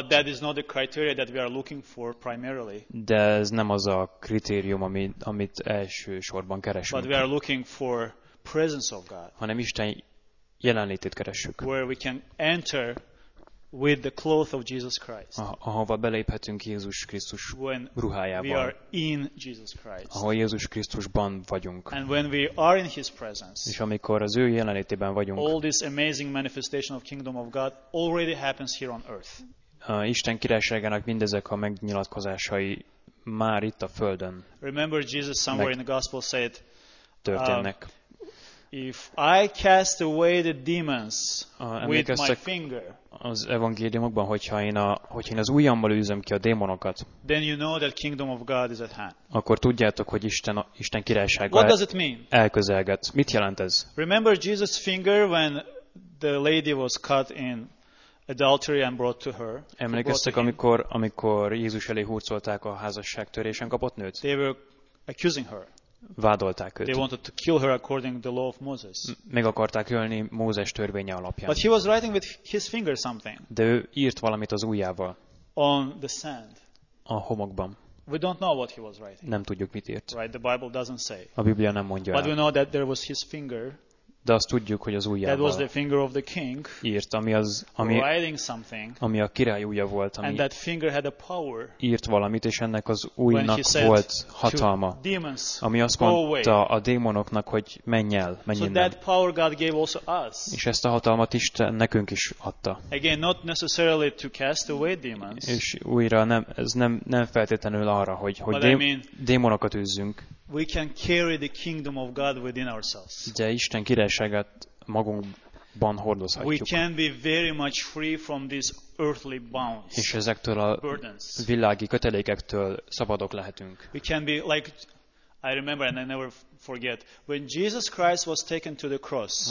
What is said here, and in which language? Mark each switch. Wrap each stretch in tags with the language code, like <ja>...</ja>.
<en>But that is not the criteria that we are looking for primarily.</en> <hu>De ez nem az a kritérium, amit első sorban keresünk.</hu> <en>But we are looking for presence of God.</en> <hu>Hanem Isten jelenlétét keresünk.</hu> <en>Where we can enter with the cloth of Jesus Christ.</en> <hu>Ahova beléphetünk Jézus Krisztus ruhájában.</hu> <en>We are in Jesus Christ.</en> <hu>Ahol Jézus Krisztusban vagyunk.</hu> <en>And when we are in his presence.</en> <hu>És amikor az ő jelenlétében vagyunk.</hu> <en>All this amazing manifestation of kingdom of God already happens here on earth.</en> <hu>Isten királyságának mindezek a megnyilatkozásai már itt a földön.</hu> <en>Remember Jesus somewhere in the gospel said,</en> <hu>történnek.</hu> <en>If I cast away the demons with my finger,</en> <hu>az evangéliumokban, hogyha én az ujjammal űzöm ki a démonokat,</hu> <en>then you know that kingdom of God is at hand.</en> <hu>Akkor tudjátok, hogy Isten királysága elközelget. Mit jelent ez?</hu> <en>Remember Jesus' finger when the lady was cut in adultery and brought to her.</en> <hu>Emlékeztek, amikor Jézus elé hurcolták a házasságtörésen kapott nőt?</hu> <en>They were accusing her.</en> <hu>Vádolták őt.</hu> <en>They wanted to kill her according to the law of Moses.</en> <hu>Meg akarták ölni Mózes törvénye alapján.</hu> <en>But he was writing with his finger something.</en> <hu>De ő írt valamit az ujjával.</hu> <en>On the sand.</en> <hu>A homokban.</hu> <en>We don't know what he was writing.</en> <hu>Nem tudjuk, mit írt.</hu> <en>Right, the Bible doesn't say.</en> <hu>A Biblia nem mondja.</hu> <en>But</en> <hu>el.</hu> <en>We know that there was his finger.</en> <hu>De azt tudjuk, hogy az ujjával.</hu> <en>That was the finger of the king.</en> <hu>Írt, ami</hu> <en>writing something.</en> <hu>Ami a király ujja volt, ami.</hu> <en>And that finger had a power.</en> <hu>Írt valamit, és ennek az ujjnak volt hatalma.</hu> <en>Demons,</en> <hu>ami azt mondta a démonoknak, hogy menj el, menj innen.</hu> <en>So that power God gave also us.</en> <hu>És ezt a hatalmat Isten nekünk is adta.</hu> <en>Again, not necessarily to cast away demons.</en> <hu>És újra nem feltétlenül arra, hogy démonokat üzzünk.</hu> <en>We can carry the kingdom of God within ourselves.</en> <hu>De Isten királyságát magunkban hordozhatjuk.</hu> <en>We can be very much free from these earthly bounds.</en> <hu>És ezektől a</hu> <en>burdens.</en> <hu>Világi kötelékektől szabadok lehetünk.</hu> <en>We can be like, I remember and I never forget, when Jesus Christ was taken to the cross.</en>